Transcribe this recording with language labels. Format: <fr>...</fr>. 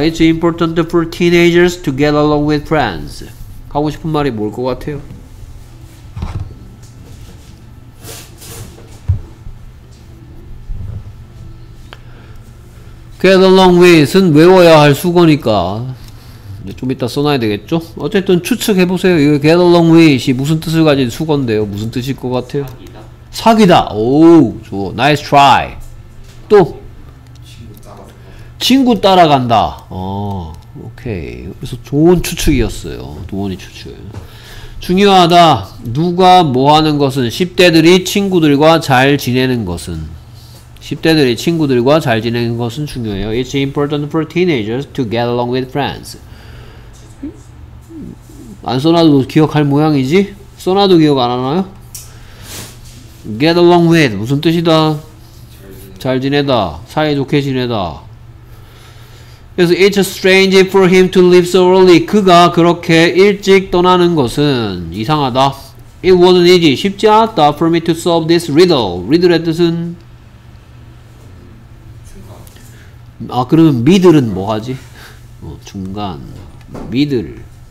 <en>It's important for teenagers to get along with friends.</en> <ko>하고 싶은 말이 뭘 것 같아요? 'Get along with'은 외워야 할 수거니까 이제 좀 이따 써놔야 되겠죠? 어쨌든 추측해 보세요. 이 'get along with'이 무슨 뜻을 가진 수건데요? 무슨 뜻일 것 같아요? 사귀다. 사귀다. 오, 좋아.</ko> <en>Nice try.</en> <ko>또 친구 따라간다. 오케이. 그래서 좋은 추측이었어요. 도원이 추측. 중요하다. 누가 뭐 하는 것은 10대들이 친구들과 잘 지내는 것은. 10대들이 친구들과 잘 지내는 것은 중요해요.</ko> <en>It's important for teenagers to get along with friends.</en> <ko>안 써놔도 기억할 모양이지? 써놔도 기억 안 하나요? Get along with. 무슨 뜻이다? 잘 지내다. 사이좋게 지내다.</ko> <en>그래서 It's strange for him to leave so early.</en> <ko>그가 그렇게 일찍 떠나는 것은 이상하다.</ko> <en>It wasn't easy.</en> <ko>쉽지 않았다</ko> <en>for me to solve this riddle.</en> <ko>리들의 뜻은? 아 그러면 미들은 뭐 하지? 어, 중간 미들</ko>